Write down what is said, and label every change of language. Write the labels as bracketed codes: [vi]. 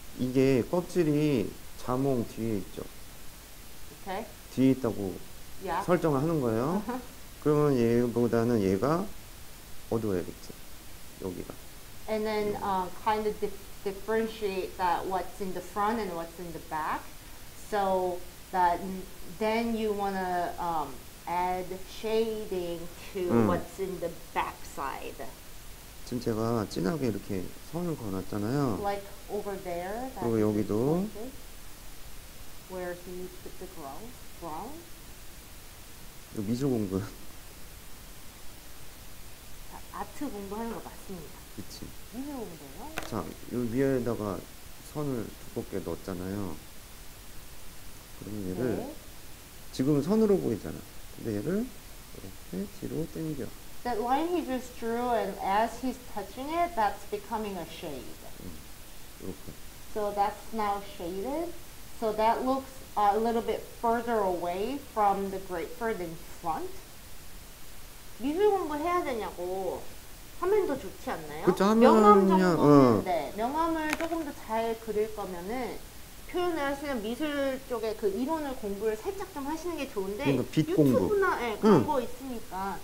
[ko] 이게 껍질이 자몽 뒤에 있죠. [en] Okay. [ko] 뒤에 있다고 [en] yeah. [ko] 설정을 하는 거예요. 그러면 얘보다는 얘가 어두워야겠지. 여기가. [en] And then kind of differentiate that what's in the front and what's in the back. So that then you want to add shading to what's in the back side. [ko] 지금 제가 진하게 이렇게 선을 그어놨잖아요. [en] Like over there. [ko] 그리고 여기도. [en] Where he put the brown. [ko] 이 미술공부. 아트 공부하는 거 맞습니다. 그치. 미술 공부예요? 자, 요 위에다가 선을 두껍게 넣었잖아요. 그러면 얘를, 네. 지금 선으로 보이잖아. 근데 얘를 이렇게 뒤로 당겨. [en] That line he just drew, and as he's touching it, that's becoming a shade. [ko] 이렇게. [en] So that's now shaded. So that looks a little bit further away from the grapefruit in front. [ko] 미술 공부 해야 되냐고 하면 더 좋지 않나요? 그쵸, 명암 정도인데 명암을 조금 더 잘 그릴 거면은 표현을 하시는 미술 쪽에 그 이론을 공부를 살짝 좀 하시는 게 좋은데 그러니까 빛 유튜브나 공부. 네, 그런 거 있으니까